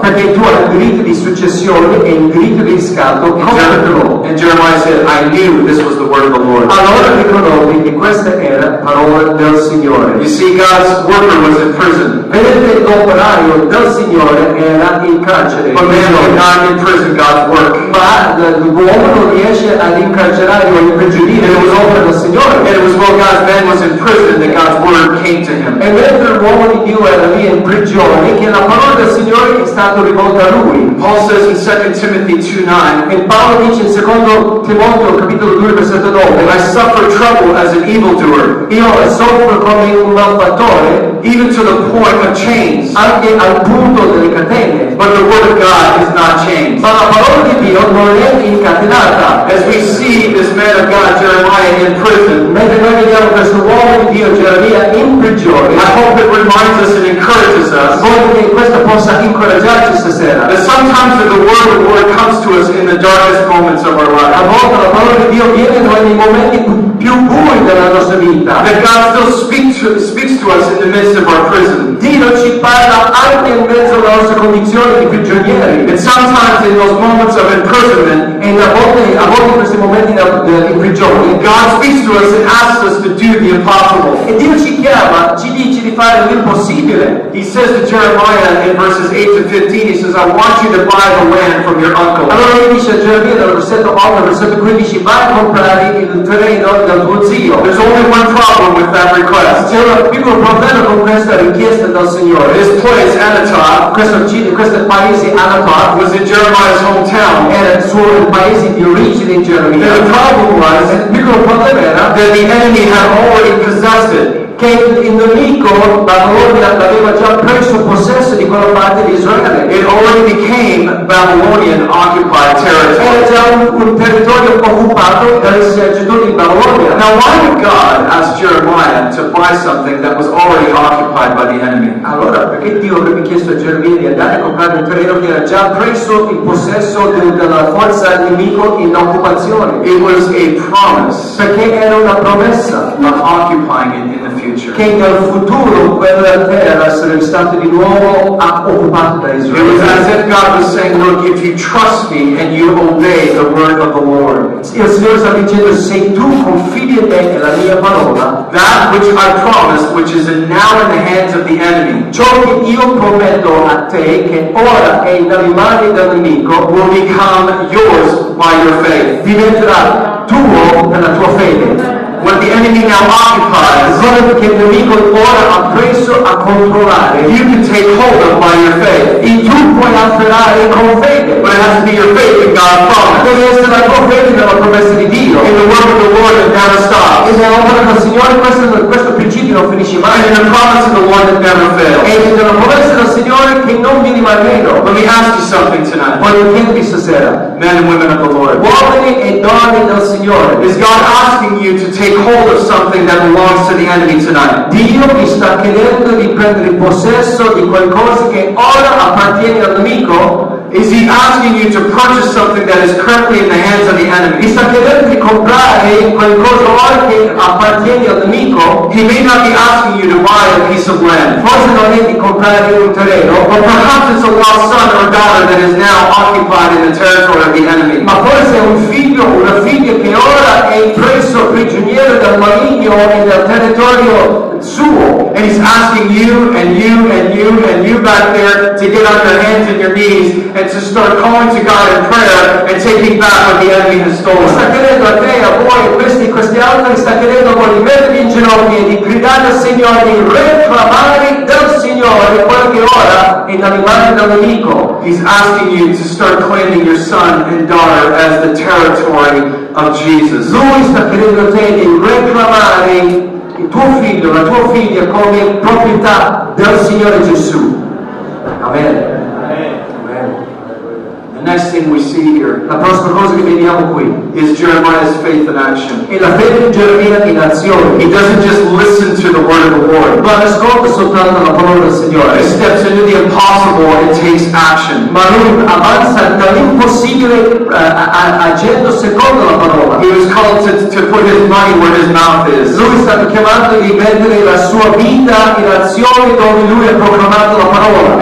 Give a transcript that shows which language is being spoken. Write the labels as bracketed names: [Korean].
[Italian] perché tu hai il diritto di successione e il diritto di riscatto, compratelo. [English] And Jeremiah said, I knew this was the word of the Lord. [Italian] Allora riconobbi che questa era parola del Signore. [English] You see, God's worker was in prison. [Italian] Vedete, l'operaio del Signore era in carcere. [English] But man, not in prison, God's work. [Italian] Ma l'uomo non riesce ad incarcerare o imprigionire. [English] It was [Italian] opera del Signore. [English] And it was while God's man was in prison that God's word came to him. [Italian] E mentre l'uomo di Dio era lì in prigione, che la parola del Signore è stata rivolta a lui. [English] Paul says in 2 Timothy 2:9. [Italian] E Paolo dice in 2 Timoteo capitolo 2 versetto 9. [English] And I suffer trouble as an evildoer. [Italian] Io soffro come un malfattore. [English] Even to the point of chains. [Italian] Anche al punto delle catene. [English] But the word of God is not chained. [Italian] Ma la parola di Dio non è incatenata. [English] As we see this man of God, Jeremiah, in prison. [Italian] Mentre noi vediamo questo uomo di Dio, Geremia, in prigione. [English] I hope it reminds us and encourages us. [Italian] Voglio che questo possa incoraggiarci stasera. [English] That sometimes the word of the Lord comes to us in the darkest moments of our life. [Italian] A volte la parola di Dio viene noi nei momenti più bui della nostra vita. [English] That God still speaks to us in the midst of our prison. [Italian] Dio ci parla anche in mezzo alla nostra condizione di prigionieri. [English] And sometimes in those moments of imprisonment, [Italian] and a volte in questi momenti di prigione, [English] God speaks to us and asks us to do the impossible. [Italian] E Dio ci chiama, ci dice di fare l'impossibile. [English] He says to Jeremiah in verses 8-15, he says, I want you to buy the land from your uncle. [Italian] Allora lui dice a Geremia nel versetto 8, versetto 15, vai a comprare il terreno dal tuo zio. [English] There's only one problem with that request. [Italian] C'è un piccolo problema con questa richiesta dal Signore. [English] This place, Anathoth, [Italian] questo paese, Anathoth, [English] was in Jeremiah's hometown. [Italian] Era il suo paese di origine in Geremia. [English] And the problem was, [Italian] il piccolo problema era, [English] that the enemy had already possessed it. [Italian] Che il nemico, Babilonia, aveva già preso possesso di quella parte di Israele. [English] It already became Babylonian occupied territory. [Italian] Era già un territorio occupato dagli esercito di Babilonia. [English] Now why did God ask Jeremiah to buy something that was already occupied by the enemy? [Italian] Allora, perché Dio aveva chiesto a Geremia di andare a comprare un terreno che era già preso in possesso della forza nemico in occupazione? [English] It was a promise. [Italian] Perché era una promessa. [English] Not occupying it in the [Italian] che nel futuro quella terra sarebbe stata di nuovo occupata da Israele. [English] It was as if God was saying, look, if you trust me and you obey the word of the Lord. [Italian] Il Signore sta dicendo, se tu confidi in me e la mia parola, [English] that which I promised, which is now in the hands of the enemy, [Italian] ciò che io prometto a te, che ora è nelle mani del nemico, [English] will become yours by your faith. [Italian] Diventerà tuo per la tua fede. [English] What the enemy now occupies, [Italian] quello che il nemico ora ha preso a controllare, [English] you can take hold of by your faith. [Italian] E tu puoi afferrare con fede. [English] But it has to be your faith in God's promise. [Italian] Deve essere la tua fede nella promessa di Dio. [English] In the word of the Lord that never stops. [Italian] E nell'opera del Signore questo principio non finisce mai. [English] And in the promise of the Lord that never fails. [Italian] E nella promessa del Signore Signore che non vi rimarrete. [English] Let me ask you something tonight. [Italian] Voglio chiedervi stasera. [English] Men and women of the Lord. [Italian] Uomini e donne del Signore. [English] Is God asking you to take hold of something that belongs to the enemy tonight? [Italian] Dio vi sta chiedendo di prendere possesso di qualcosa che ora appartiene al nemico. [English] Is he asking you to purchase something that is currently in the hands of the enemy? [Italian] Sta chiedendo di comprare qualcosa ora che appartiene al nemico. [English] He may not be asking you to buy a piece of land. [Italian] Forse non è di comprare un terreno. [English] But perhaps it's a lost son or daughter that is now occupied in the territory of the enemy. [Italian] Ma forse è un figlio o una figlia che ora è preso prigioniero dal maligno e dal territorio. [English] And he's asking you and you and you and you back there to get on your hands and your knees and to start calling to God in prayer and taking back what the enemy has stolen. [Italian] Sta chiedendo a te, a voi, questi, questi altri, sta chiedendo voi di mettervi in ginocchio e di gridare al Signore, di reclamare del Signore qualche ora e dall'imare dal nemico. [English] He's asking you to start claiming your son and daughter as the territory of Jesus. [Italian] Lui sta chiedendo a te di reclamare il tuo figlio, la tua figlia come proprietà del Signore Gesù. [English] Amen. The next thing we see here, [Italian] la prossima cosa che vediamo qui, [English] is Jeremiah's faith in action. [Italian] È la fede di Geremia in azione. [English] He doesn't just listen to the word of the Lord, [Italian] ma ascolta soltanto la parola del Signore. [English] He steps into the impossible and takes action. [Italian] Ma lui avanza dall'impossibile agendo secondo la parola. [English] He was called to put his money where his mouth is. [Italian] Lui è stato chiamato di mettere la sua vita in azione dove lui ha proclamato la parola.